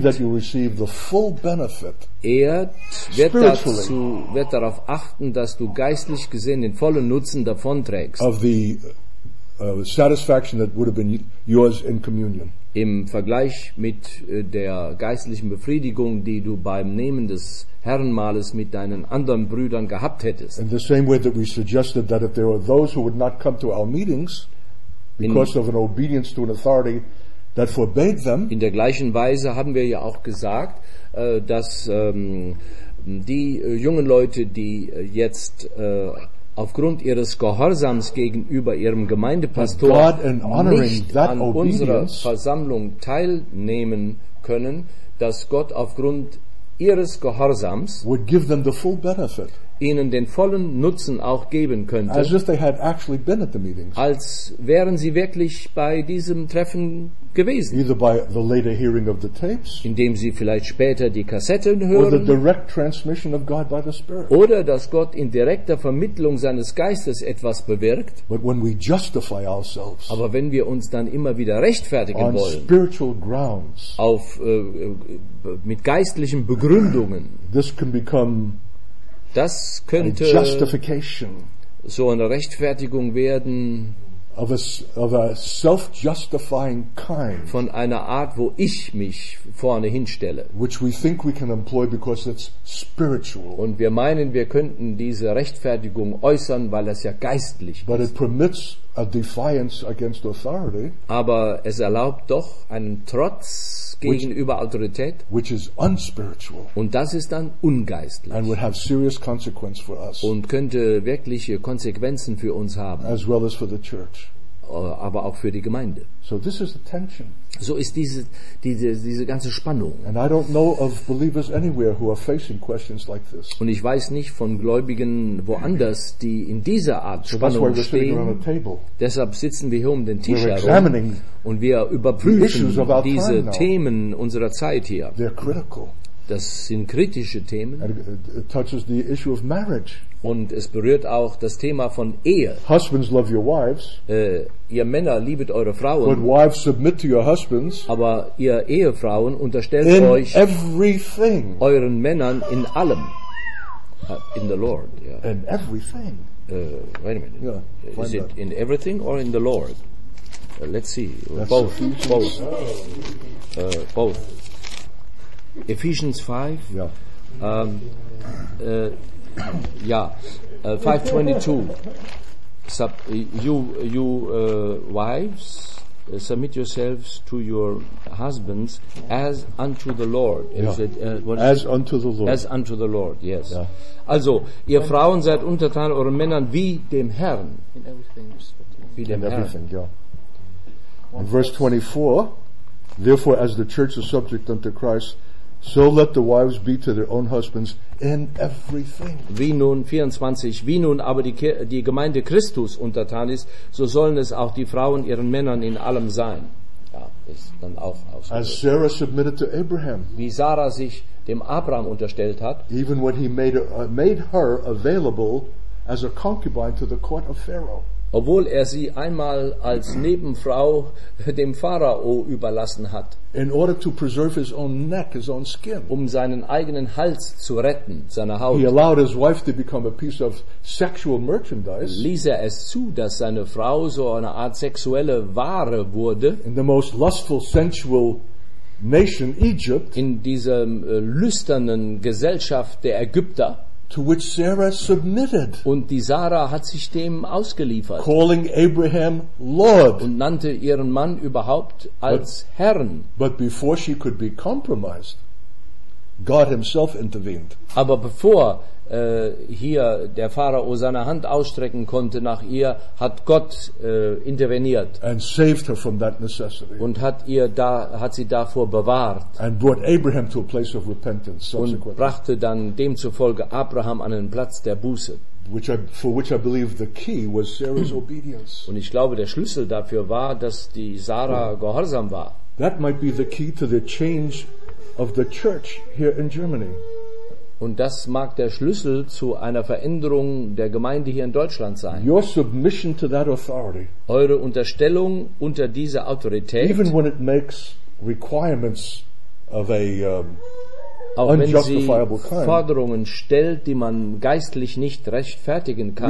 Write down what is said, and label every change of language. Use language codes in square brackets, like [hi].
[en] will see that you receive the full benefit. [de] Er wird darauf achten, dass du geistlich gesehen den vollen Nutzen davonträgst. [en] Of the satisfaction that would have been yours in communion. [de] Im Vergleich mit der geistlichen Befriedigung, die du beim Nehmen des Herrenmahles mit deinen anderen Brüdern gehabt hättest. [en] In the same way that we suggested that if there were those who would not come to our meetings because of an obedience to an authority that forbade them. [de] In der gleichen Weise haben wir ja auch gesagt, dass die jungen Leute, die jetzt aufgrund ihres Gehorsams gegenüber ihrem Gemeindepastor nicht an unserer Versammlung teilnehmen können, dass Gott aufgrund ihres Gehorsams [en] would give them the full benefit, [de] ihnen den vollen Nutzen auch geben könnte, [en] as if they had actually been at the meetings, [de] als wären sie wirklich bei diesem Treffen gewesen, [en] either by the later hearing of the tapes, [de] indem sie vielleicht später die Kassetten hören, [en] or the direct transmission of God by the Spirit, [de] oder dass Gott in direkter Vermittlung seines Geistes etwas bewirkt. [en] But when we justify ourselves, [de] aber wenn wir uns dann immer wieder rechtfertigen [en] on [de] wollen, [en] spiritual grounds, [de] auf mit geistlichen Begründungen, [en] this can become, [de] das könnte [en] a justification, [de] so eine Rechtfertigung werden, [en] of a self-justifying kind, [de] von einer Art, wo ich mich vorne hinstelle, [en] which we think we can employ because it's spiritual, [de] und wir meinen, wir könnten diese Rechtfertigung äußern, weil es ja geistlich [en] but [de] ist. [en] It permits a defiance against authority, [de] aber es erlaubt doch einen Trotz gegenüber Autorität, [en] which is unspiritual, [de] und das ist dann ungeistlich, [en] and would have serious consequence for us, [de] und könnte wirkliche Konsequenzen für uns haben, [en] as well as for the church, [de] aber auch für die Gemeinde. [en] So, this is the tension. [de] So ist diese ganze Spannung. [en] And I don't know of believers anywhere who are facing questions like this. [de] Und ich weiß nicht von Gläubigen woanders, die in dieser Art Spannung [en] so that's why we're [de] stehen. [en] On a table. [de] Deshalb sitzen wir hier um den Tisch [en] we're [de] herum. [en] Examining [de] und wir überprüfen diese Themen unserer Zeit hier. [en] They're critical. [de] Das sind kritische Themen. [en] It touches the issue of marriage. [de] Und es berührt auch das Thema von Ehe. [en] Husbands love your wives. [de] Ihr Männer liebet eure Frauen. [en] But wives submit to your husbands. [de] Aber ihr Ehefrauen unterstellt [en] in [de] euch [en] everything. [de] Euren Männern in allem. [en] In the Lord. Yeah. In everything. Wait a minute. Yeah, is it that. In everything or in the Lord? Let's see. That's both. Ephesians. Both. Both. Ephesians 5. Yeah. 5:22. Wives, submit yourselves to your husbands as unto the Lord. As unto the Lord. Yes. Yeah. [de] Also, ihr Frauen seid untertan euren Männern wie dem Herrn. [en] In everything. Yeah. In verse 24, therefore, as the church is subject unto Christ, so let the wives be to their own husbands in everything. [de] Wie nun 24, wie nun aber die Gemeinde Christus untertan ist, so sollen es auch die Frauen ihren Männern in allem sein. Ja, ist dann auch [en] as Sarah submitted to Abraham. [de] Wie Sarah sich dem Abraham unterstellt hat. [en] Even when he made her available as a concubine to the court of Pharaoh. [de] Obwohl er sie einmal als Nebenfrau dem Pharao überlassen hat. [en] In order to preserve his own neck, his own skin. [de] Um seinen eigenen Hals zu retten, seine Haut. [en] He allowed his wife to become a piece of sexual merchandise. [de] Ließ er es zu, dass seine Frau so eine Art sexuelle Ware wurde. [en] In the most lustful, sensual nation, Egypt. [de] In dieser lüsternen Gesellschaft der Ägypter. [en] To which Sarah submitted. [de] Und die Sarah hat sich dem ausgeliefert. [en] Calling Abraham Lord. [de] Und nannte ihren Mann überhaupt als Herrn. [en] But before she could be compromised, God himself intervened. [de] Aber bevor hier der Pharao seine Hand ausstrecken konnte nach ihr, hat Gott interveniert. [en] And saved her from that necessity. [de] Und hat sie davor bewahrt. [en] And brought Abraham to a place of repentance subsequently. [de] Und brachte dann demzufolge Abraham an einen Platz der Buße. [en] For which I believe the key was Sarah's obedience. [de] Und ich glaube, der Schlüssel dafür war, dass die Sarah gehorsam war. [en] That might be the key to the change of the church here in Germany. [de] Und das mag der Schlüssel zu einer Veränderung der Gemeinde hier in Deutschland sein. [en] Your submission to that authority, [de] eure Unterstellung unter diese Autorität, [en] even when it makes requirements of a, [de] auch wenn sie Forderungen stellt, die man geistlich nicht rechtfertigen kann,